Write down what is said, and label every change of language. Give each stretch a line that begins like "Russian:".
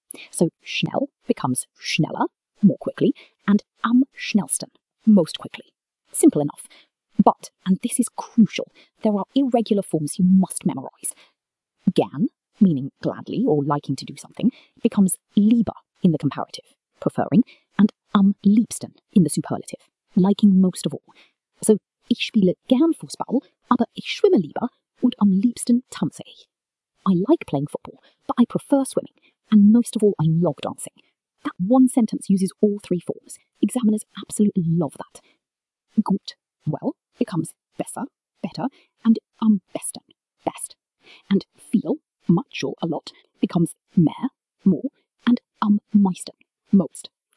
English: So schnell becomes schneller, more quickly, and am schnellsten, most quickly. Simple enough. But, and this is crucial, there are irregular forms you must memorise. Gern, meaning gladly or liking to do something, becomes lieber in the comparative, preferring, and am liebsten in the superlative, liking most of all.
German: So ich spiele gern Fußball, aber ich schwimme lieber und am liebsten tanze ich.
English: I like playing football, but I prefer swimming, and most of all I love dancing. That one sentence uses all three forms. Examiners absolutely love that. Gut, well, becomes besser, better, and am besten, best. And viel, much or a lot, becomes mehr, more, and am meisten, most.